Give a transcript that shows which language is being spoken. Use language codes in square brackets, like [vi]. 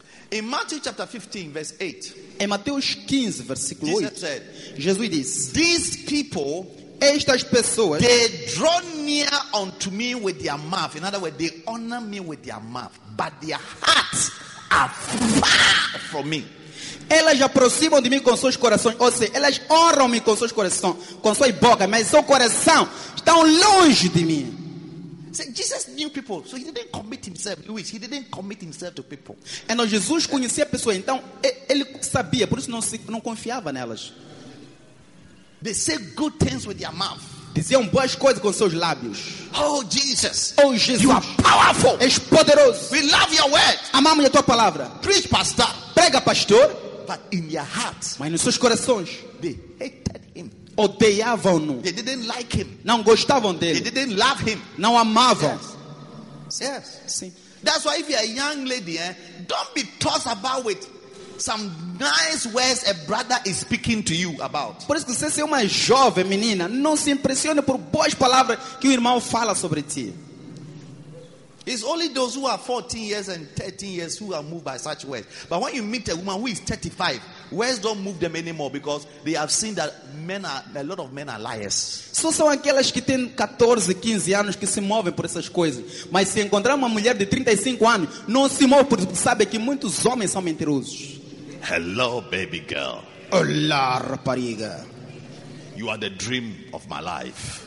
[en] In Matthew chapter 15, verse 8. [pt] Em Mateus 15, versículo 8. [en] Said, [pt] Jesus diz: [en] These people. [pt] Estas pessoas, [en] they draw near unto me with their mouth. In other words, they honor me with their mouth, but their hearts are far from me. [pt] Elas aproximam de mim com seus corações, ou seja, elas honram-me com seus corações, com suas bocas, mas seu coração está longe de mim. [en] See, Jesus knew people, so he didn't commit himself. Luis, he didn't commit himself to people. [pt] Então Jesus conhecia pessoas, então ele sabia, por isso não confiava nelas. [en] They say good things with their mouth. [pt] Diziam boas coisas com seus lábios. [en] Oh Jesus. [pt] Oh Jesus. [en] You are powerful. [pt] És poderoso. [en] We love your word. [pt] Amamos a tua palavra. [en] Preach, pastor. [pt] Prega, pastor. [en] But in your heart. [pt] Mas nos seus corações. [en] They hated him. [pt] Odeiavam-no. [en] They didn't like him. [pt] Não gostavam dele. [en] They didn't love him. [pt] Não amavam. [en] Yes. [pt] Sim. [en] That's why if you're a young lady, don't be tossed about with some nice words a brother is speaking to you about. [pt] Por isso que você é uma jovem menina, não se impressione por boas palavras que o irmão fala sobre ti. [en] It's only those who are 14 years and 13 years who are moved by such words. But when you meet a woman who is 35, words don't move them anymore because they have seen that a lot of men are liars. [pt] Só são aquelas que têm 14, 15 anos que se movem por essas coisas. Mas se encontrar uma mulher de 35 anos, não se move porque sabe que muitos homens são mentirosos. [en] Hello, baby girl. [pt] Olá, rapariga. [en] You are the dream of my life.